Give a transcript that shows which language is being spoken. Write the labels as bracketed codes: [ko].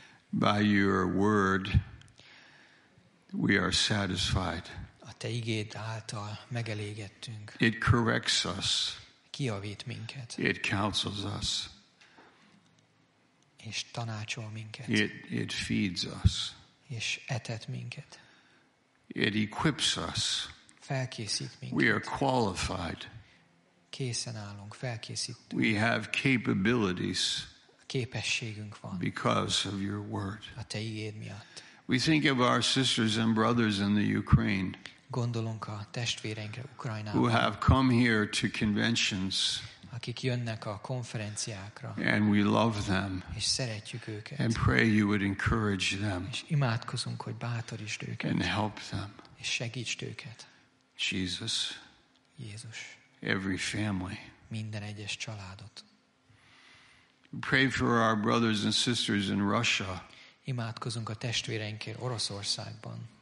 [en] By your word we are satisfied. [hu] A te igéd által megelégedtünk. [en] It corrects us. [hu] Kijavít minket. [en] It counsels us. [hu] És tanácsol minket. [en] It feeds us. [hu] És etet minket. [en] It equips us. [hu] Felkészít minket. [en] We are qualified. [hu] Készen állunk, felkészítünk. [en] We have capabilities. [hu] Képességünk van. [en] Because of your word. [hu] A te igéd miatt. [en] We think of our sisters and brothers in the Ukraine. [hu] Gondolunk a testvéreinkre Ukrajnában. [en] Who have come here to conventions. [hu] Akik jönnek a konferenciákra. [en] And we love them. [hu] És szeretjük őket. [en] And pray you would encourage them. [hu] És imádkozunk, hogy bátorítsd őket. [en] And help them. [hu] És segítsd őket. [en] Jesus. [hu] Jézus. [en] Every family. [hu] Minden egyes családot. [en] Pray for our brothers and sisters in Russia. [hu] Imádkozunk a testvéreinkért Oroszországban.